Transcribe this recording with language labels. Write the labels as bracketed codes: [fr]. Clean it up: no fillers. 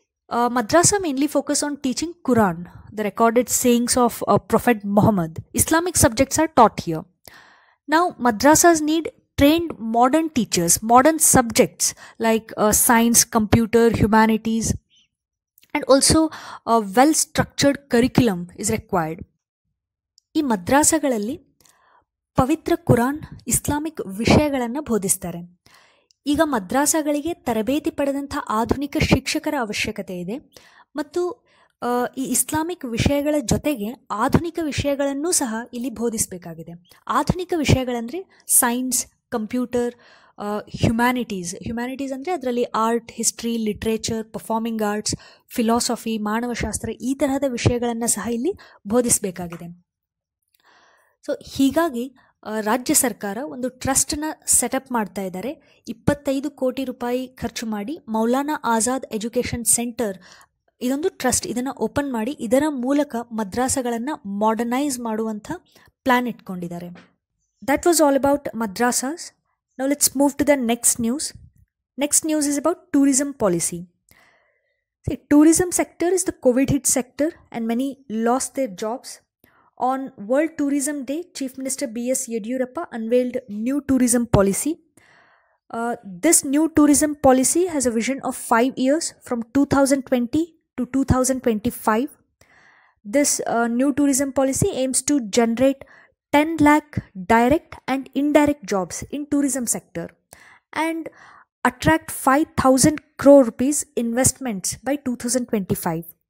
[en] Madrasa mainly focus on teaching Quran, the recorded sayings of Prophet Muhammad. Islamic subjects are taught here. Now, madrasas need trained modern teachers, modern subjects like science, computer, humanities, and also a well-structured curriculum is required. [kn] ಈ ಮದ್ರಾಸಗಳಲ್ಲಿ ಪವಿತ್ರ Quran, Islamic ವಿಷಯಗಳನ್ನು ಬೋಧಿಸ್ತಾರೆ. ಈಗ ಮದ್ರಾಸಗಳಿಗೆ ತರಬೇತಿ ಪಡೆದಂಥ ಆಧುನಿಕ ಶಿಕ್ಷಕರ ಅವಶ್ಯಕತೆ ಇದೆ. ಮತ್ತು ಈ ಇಸ್ಲಾಮಿಕ್ ವಿಷಯಗಳ ಜೊತೆಗೆ ಆಧುನಿಕ ವಿಷಯಗಳನ್ನು ಸಹ ಇಲ್ಲಿ ಬೋಧಿಸಬೇಕಾಗಿದೆ. ಆಧುನಿಕ ವಿಷಯಗಳಂದರೆ ಸೈನ್ಸ್, ಕಂಪ್ಯೂಟರ್, ಹ್ಯುಮ್ಯಾನಿಟೀಸ್ ಅಂದರೆ ಅದರಲ್ಲಿ art, history, literature, performing arts, philosophy, ಮಾನವಶಾಸ್ತ್ರ ಈ ತರಹದ ವಿಷಯಗಳನ್ನು ಸಹ ಇಲ್ಲಿ ಬೋಧಿಸಬೇಕಾಗಿದೆ. ಸೊ ಹೀಗಾಗಿ ರಾಜ್ಯ ಸರ್ಕಾರ ಒಂದು ಟ್ರಸ್ಟ್ನ ಸೆಟಪ್ ಮಾಡ್ತಾ ಇದ್ದಾರೆ. ₹25 crore ಖರ್ಚು ಮಾಡಿ ಮೌಲಾನಾ ಆಜಾದ್ ಎಜುಕೇಷನ್ ಸೆಂಟರ್ ಇದೊಂದು ಟ್ರಸ್ಟ್ ಇದನ್ನು ಓಪನ್ ಮಾಡಿ ಇದರ ಮೂಲಕ ಮದ್ರಾಸಗಳನ್ನು ಮಾಡರ್ನೈಸ್ ಮಾಡುವಂಥ ಪ್ಲ್ಯಾನ್ ಇಟ್ಕೊಂಡಿದ್ದಾರೆ. [en] That was all about madrasas. Now let's move to the next news. Next news is about tourism policy. See, tourism sector is the COVID hit sector and many lost their jobs. On World Tourism Day, Chief Minister B.S. Yediyurappa unveiled new tourism policy. This new tourism policy has a vision of 5 years from 2020 to 2025. This new tourism policy aims to generate 10 lakh direct and indirect jobs in tourism sector and attract ₹5,000 crore investments by 2025.